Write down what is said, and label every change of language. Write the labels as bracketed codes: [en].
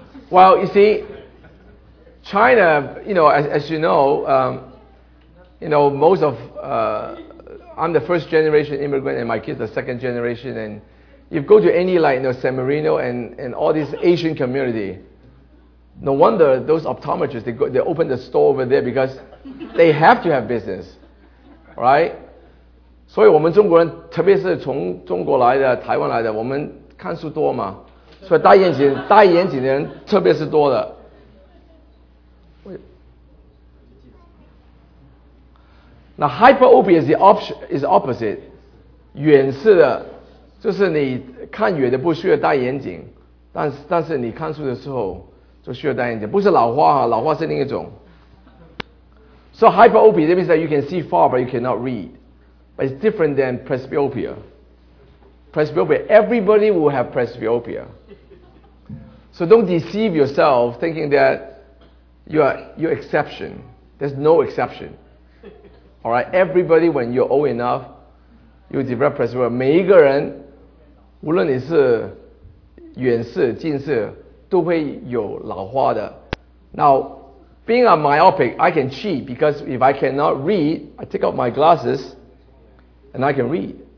[en] Well, you see, China, you know, as you know, most of, I'm the first generation immigrant and my kids are second generation. And you go to any like, you know, San Marino and all this Asian community, no wonder those optometrists, they open the store over there because they have to have business, right? [zh] 所以我们中国人，特别是从中国来的、台湾来的，我们看书多嘛。所以戴眼镜的人特别是多的。那 [en] hyperopia is opposite， [zh] 远视的，就是你看远的不需要戴眼镜，但是你看书的时候就需要戴眼镜，不是老花啊，老花是另一种。 [en] So hyperopia that means that you can see far but you cannot read， but it's different than presbyopia。 Presbyopia， everybody will have presbyopia。 So don't deceive yourself thinking that you're exception. There's no exception. All right, everybody, when you're old enough, you develop presbyopia. [zh] 每一个人，无论你是远视、近视，都会有老花的。 [en] Now, being a myopic, I can cheat because if I cannot read, I take off my glasses and I can read.